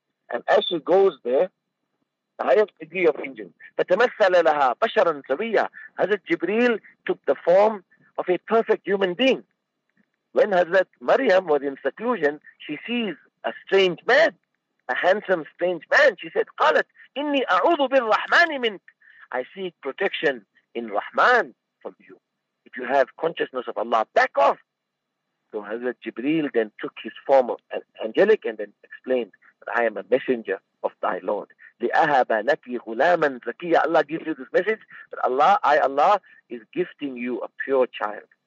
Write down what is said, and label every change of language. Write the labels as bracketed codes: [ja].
[en] And as she goes there, the highest degree of angel, [ar] فَتَمَثَّلَ لَهَا بَشَرًا سَوِيًّا. [en] Hazrat Jibreel took the form of a perfect human being. When Hazrat Maryam was in seclusion, she sees a strange man, a handsome strange man. She said, [ar] قَالَتْ إِنِّي أَعُوذُ بِالرَّحْمَانِ مِنْكَ. [en] I seek protection in Rahman from you. If you have consciousness of Allah, back off. So Hazrat Jibreel then took his form of angelic and then explained that I am a messenger of thy Lord. [ar] لِأَهَبَ لَكِ غُلَامًا زَكِيًّا. [en] Allah gives you this message that Allah, I Allah, is gifting you a pure child.